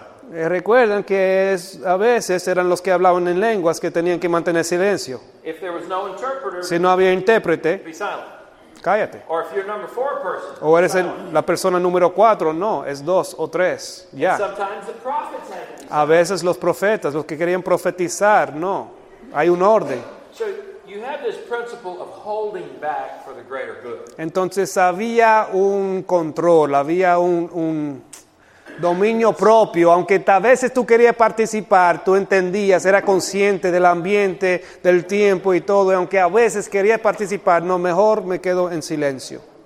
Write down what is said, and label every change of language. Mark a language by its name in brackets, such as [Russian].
[Spanish] Recuerden que a veces eran los que hablaban en lenguas que tenían que mantener silencio. [English] If there was no interpreter, [Spanish] si no había intérprete, [English] be silent. [Spanish] Cállate. [English] Or if you're number four person, [Spanish] o eres la persona número cuatro, no, es dos o tres. [English] Yeah. Sometimes the prophets had to be silent. [Spanish] A veces los profetas, los que querían profetizar, no, hay un orden. [English] So you have this principle of holding back for the greater good. [Spanish] Entonces había un control, había un dominio propio, aunque a veces tú querías participar, tú entendías, era consciente del ambiente, del tiempo y todo, y aunque a veces querías participar, no, mejor me quedo en silencio.